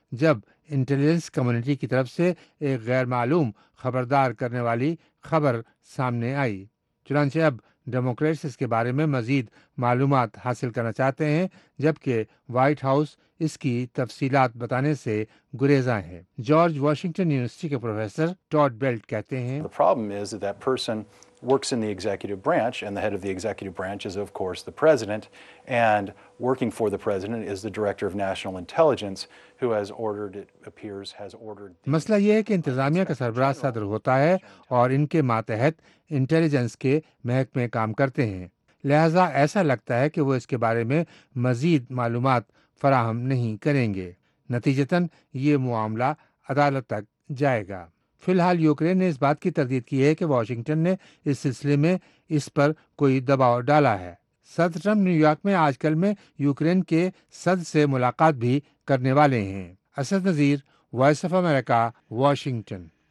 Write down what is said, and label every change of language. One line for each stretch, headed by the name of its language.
Urdu: جب intelligence community کی طرف سے ایک غیر معلوم خبردار کرنے والی خبر سامنے آئی۔ چنانچہ اب ڈیموکریٹس اس کے بارے میں مزید معلومات حاصل کرنا چاہتے ہیں، جبکہ وائٹ ہاؤس اس کی تفصیلات بتانے سے گریزاں ہے۔ جارج واشنگٹن یونیورسٹی کے پروفیسر ٹاڈ بیلٹ کہتے ہیں،
English: The problem is that that person works in the executive branch and the head of the executive branch is of course the president and working for the president is the director of national intelligence who has ordered it appears has ordered the
Urdu: مسئلہ یہ ہے کہ انتظامیہ کا سربراہ صدر ہوتا ہے اور ان کے ماتحت انٹیلیجنس کے محکمے کام کرتے ہیں، لہذا ایسا لگتا ہے کہ وہ اس کے بارے میں مزید معلومات فراہم نہیں کریں گے، نتیجتاً یہ معاملہ عدالت تک جائے گا۔ فی الحال یوکرین نے اس بات کی تردید کی ہے کہ واشنگٹن نے اس سلسلے میں اس پر کوئی دباؤ ڈالا ہے۔ صدر ٹرمپ نیو یارک میں آج کل میں یوکرین کے صدر سے ملاقات بھی کرنے والے ہیں۔ Asad Nazir, voice of America, Washington.